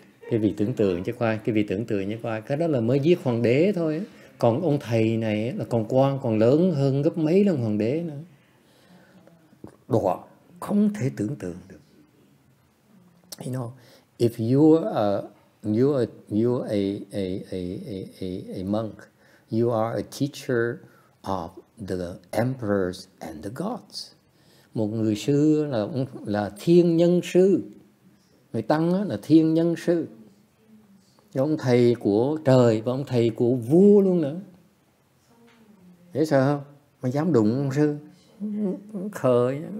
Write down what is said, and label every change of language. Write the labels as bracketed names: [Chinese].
[Vietnamese] Cái vị tưởng tượng chứ khoai, cái đó là mới giết hoàng đế thôi. Còn ông thầy này là còn quan còn lớn hơn gấp mấy lần hoàng đế nữa. Đọa, không thể tưởng tượng được. [English] You know, if you are a monk, you are a teacher of the emperors and the gods. [Vietnamese] Một người sư là thiên nhân sư. Người tăng là thiên nhân sư. Ông thầy của trời và ông thầy của vua luôn nữa. Dễ sợ không? Mà dám đụng ông sư. Khờ.